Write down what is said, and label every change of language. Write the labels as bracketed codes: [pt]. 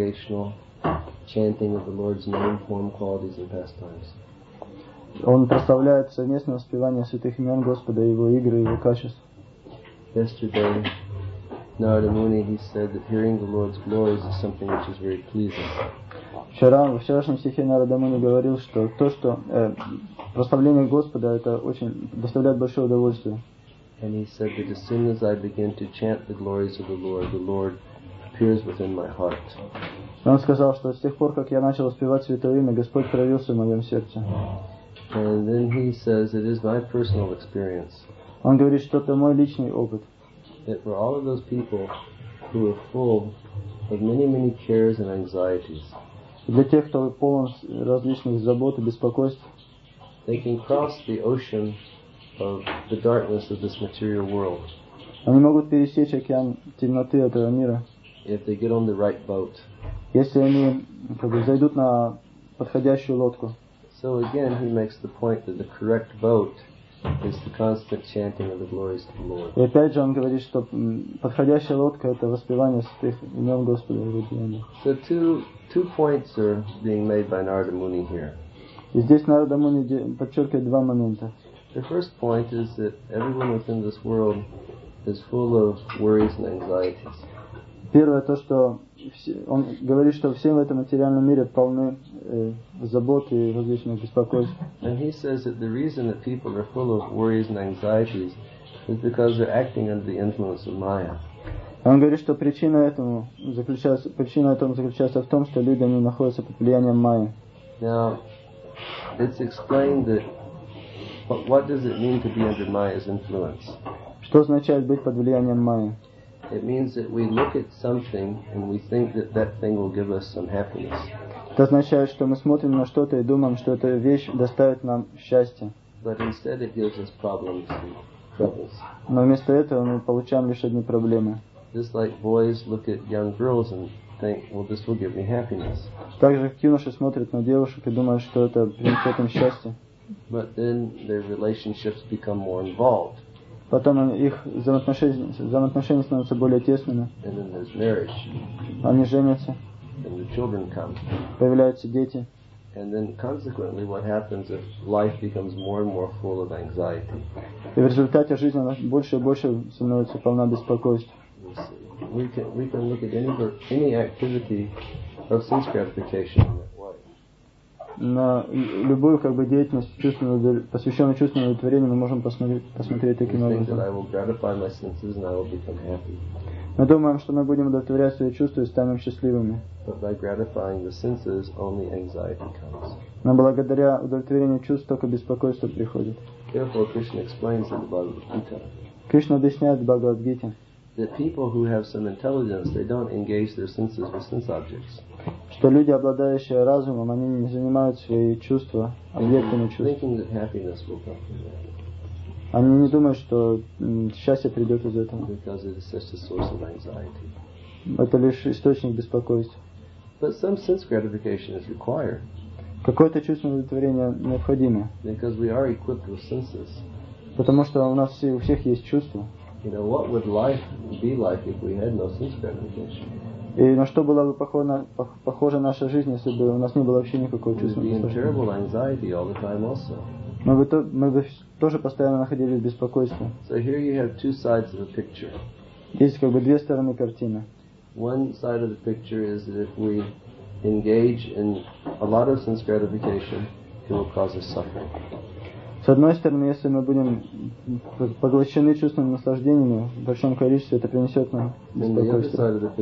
[en] Chanting of the Lord's name, form, qualities, and pastimes. [ru] Он прославляет совместное воспевание святых имен Господа, его игры и его качества. [en] Yesterday, Narada Muni, he said that hearing the Lord's glories is something which is very pleasing. [ru] Вчера во вчерашнем стихе Нарада Муни говорил, что то, что прославление Господа, это очень доставляет большое удовольствие. [en] And he said that as soon as I begin to chant the glories of the Lord appears within my heart. [ru] Он сказал, что с тех пор, как я начал воспевать Святое Имя, Господь проявился в моем сердце. [en] And then he says, it is my personal experience. [ru] Он говорит, что это мой личный опыт. [en] That for all of those people who are full of many, many cares and anxieties, [ru] для тех, кто полон различных забот и беспокойств, [en] they can cross the ocean of the darkness of this material world. [ru] Они могут пересечь океан темноты этого мира. [en] If they get on the right boat. [ru] Если они зайдут на подходящую лодку. [en] So again, he makes the point that the correct boat is the constant chanting of the glories of the Lord. [ru] И опять же он говорит, что подходящая лодка это воспевание святых имен Господа и Родины. [en] So two points are being made by Narada Muni here. [ru] И здесь Нарада Муни подчеркивает два момента. [en] The first point is that everyone within this world is full of worries and anxieties. [ru] Первое то, что он говорит, что всем в этом материальном мире полны забот и различных беспокойств. [en] And he says that the reason that people are full of worries and anxieties is because they're acting under the influence of Maya. [ru] Он говорит, что причина этому заключается в том, что люди они находятся под влиянием Майи. [en] Now, it's explained that what does it mean to be under Maya's influence? [ru] Что означает быть под влиянием Майи? [en] It means that we look at something and we think that that thing will give us some happiness. [ru] Это означает, что мы смотрим на что-то и думаем, что эта вещь доставит нам счастье. [en] But instead it gives us problems and troubles. [ru] Но вместо этого мы получаем лишь одни проблемы. [en] Just like boys look at young girls and think, well, this will give me happiness. [ru] Так же, как юноши смотрят на девушек и думают, что это принесет им счастье. [en] But then their relationships become more involved. [ru] Потом их взаимоотношения становятся более тесными. [en] And then there's marriage. [ru] Они женятся. [en] And the children come. [ru] Появляются дети. [en] And then consequently what happens if life becomes more and more full of anxiety. [ru] И в результате жизнь больше и больше становится полна беспокойств. [en] We can look at any activity of sense gratification in that way. [ru] На любую как бы деятельность, посвященную чувственному удовлетворению, мы можем посмотреть таким образом. [en] Think that I will gratify my senses and I will become happy. [ru] Мы думаем, что мы будем удовлетворять свои чувства и станем счастливыми. [en] But by gratifying the senses, only anxiety comes. [ru] Но благодаря удовлетворению чувств только беспокойство приходит. [en] Therefore, Krishna explains in the Bhagavad Gita. [ru] Кришна объясняет в Бхагавад Гите. [en] That people who have some intelligence, they don't engage their senses with sense objects. [ru] Что люди, обладающие разумом, они не занимают свои чувства объектами чувств. [en] Thinking that happiness will come from that. [ru] Они не думают, что счастье придет из этого. [en] Because it is such a source of anxiety. [ru] Это лишь источник беспокойства. [en] But some sense gratification is required. [ru] Какое-то чувственное удовлетворение необходимо. [en] Because we are equipped with senses. [ru] Потому что у нас у всех есть чувства. [en] You know, what would life be like if we had no sense gratification? [ru] И на что была бы похожа наша жизнь, если бы у нас не было вообще никакого чувства беспокойства? Мы бы тоже постоянно находились в беспокойстве. [en] So here you have two sides of the picture. [ru] Есть как бы две стороны картины. [en] One side of the picture is that if we engage in a lot of sense gratification, it will cause us suffering. [ru] С одной стороны, если мы будем поглощены чувственными наслаждениями в большом количестве, это принесет нам беспокойство.